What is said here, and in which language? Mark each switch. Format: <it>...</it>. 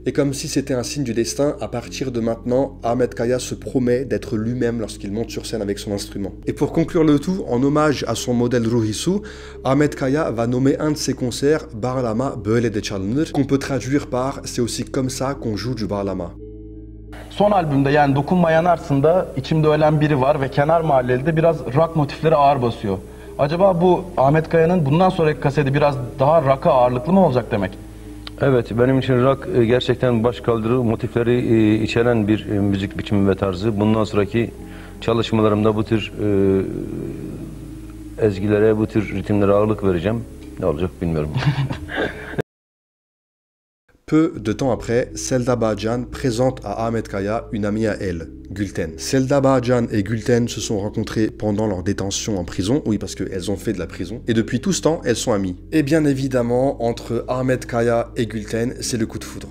<fr>Et comme si c'était un signe du destin, à partir de maintenant, Ahmet Kaya se promet d'être lui-même lorsqu'il monte sur scène avec son instrument. Et pour conclure le tout, en hommage à son modèle Ruhisu, Ahmet Kaya va nommer un de ses concerts Bağlama Böyle'de Çalınır, qu'on peut traduire par c'est aussi comme ça qu'on joue du bağlama.</fr> <tr>Son albümde yani Dokunmayan Arsında içimde ölen biri var ve Kenar Mahalleli'de biraz rock motifleri ağır basıyor. Acaba bu Ahmet Kaya'nın bundan sonraki kaseti biraz daha rock'a ağırlıklı mı olacak demek? Evet, benim için rock gerçekten baş kaldırı motifleri içeren bir müzik biçimi ve tarzı. Bundan sonraki çalışmalarımda bu tür ezgilere, bu tür ritimlere ağırlık vereceğim. Ne olacak bilmiyorum.</tr> <fr>Peu de temps après, Selda Bağcan présente à Ahmet Kaya une amie à elle, Gülten. Selda Bağcan et Gülten se sont rencontrées pendant leur détention en prison, oui parce qu'elles ont fait de la prison, et depuis tout ce temps, elles sont amies. Et bien évidemment, entre Ahmet Kaya et Gülten, c'est le coup de foudre.</fr>